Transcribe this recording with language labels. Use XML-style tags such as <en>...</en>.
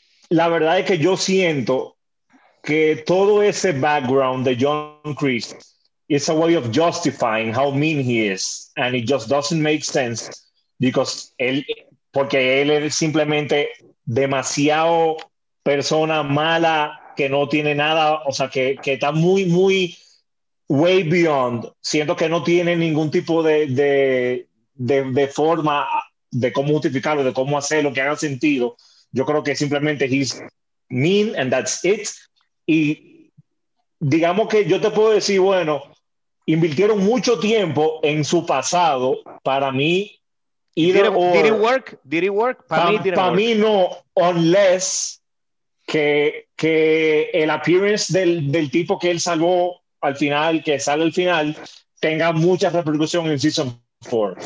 <es>La verdad es que yo siento que todo ese background de John Kreese es a way of justifying how mean he is, and it just doesn't make sense, because él, porque él es simplemente demasiado persona mala, que no tiene nada, o sea, que está muy, muy way beyond, siento que no tiene ningún tipo de forma de cómo justificarlo, de cómo hacerlo, que haga sentido.</es> <en>Yo creo que simplemente he's mean and that's it.</en> <es>Y digamos que yo te puedo decir, bueno, invirtieron mucho tiempo en su pasado, para mí, either or,</es> <en>Did it work? Para mí, it didn't</en> <es>pa mí</es> <en>work.</en> <es>no, unless que el appearance del tipo que él salvó al final, que sale al final, tenga mucha repercusión en Season 4.</es>